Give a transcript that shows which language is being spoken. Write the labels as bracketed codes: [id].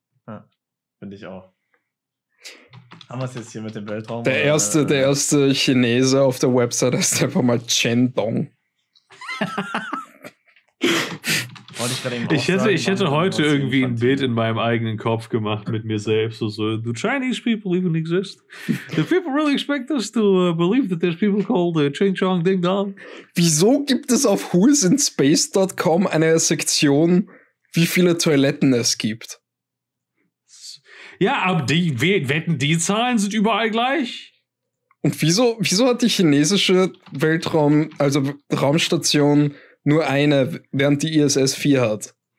[de] Ja, finde ich auch. Haben wir es jetzt hier mit dem Weltraum? Der erste Chinese auf der Website ist einfach mal Chen Dong. Ich hätte heute irgendwie ein Bild in meinem eigenen Kopf gemacht mit mir selbst. [en] So, do Chinese people even exist? Do people really expect us to believe that there's people called Ching Chong Ding Dong? [de] Wieso gibt es auf whoisinspace.com eine Sektion, wie viele Toiletten es gibt? Ja, aber die Zahlen sind überall gleich. Und wieso hat die chinesische Raumstation nur eine, während die ISS 4 hat?